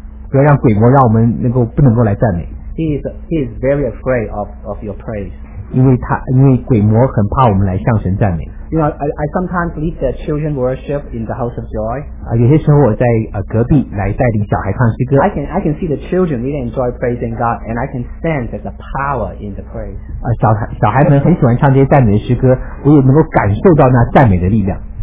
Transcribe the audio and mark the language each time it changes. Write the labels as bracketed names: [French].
[Chinese] 不要让鬼魔让我们不能够来赞美。 [English] He is very afraid of your praise. [Chinese] 因为鬼魔很怕我们来向神赞美。 [English] You know, I sometimes lead the children worship in the house of joy. [Chinese] 有些时候我在隔壁来带领小孩唱诗歌。 [English] I can see the children really enjoy praising God, and I can sense there's a power in the praise. [Chinese] 小孩们很喜欢唱这些赞美的诗歌，我也能够感受到那赞美的力量。